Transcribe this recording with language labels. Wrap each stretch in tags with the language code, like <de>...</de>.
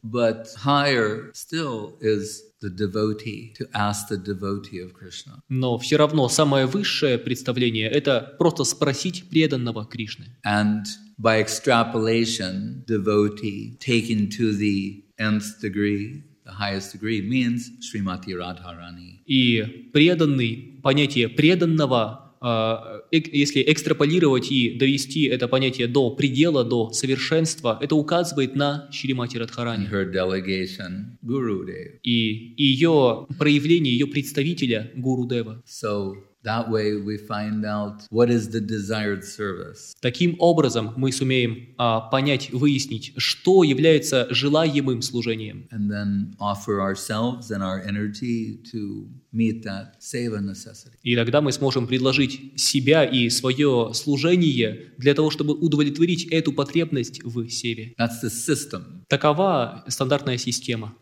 <en>But higher still is the devotee, to ask the devotee of Krishna.</en> <ru>Но все равно самое высшее представление – это просто спросить преданного Кришны.</ru> <en>And by extrapolation, devotee taken to the nth degree, the highest degree, means Srimati Radharani.</en> <ru>И преданный, понятие преданного, если экстраполировать и довести это понятие до предела, до совершенства, это указывает на Шримати Радхарани.</ru> <en>Her delegation, Gurudev.</en> <ru>И ее проявление, ее представителя Гурудева.</ru> <en>So that way we find out what is the desired service.</en> <ru>Таким образом мы сумеем понять, выяснить, что является желаемым служением.</ru> <en>And then offer ourselves and our energy to meet that seva necessity.</en> <ru>И тогда мы сможем предложить себя и свое служение для того, чтобы удовлетворить эту потребность в севе.</ru> <en>That's the system.</en> <ru>Такова стандартная система.</ru>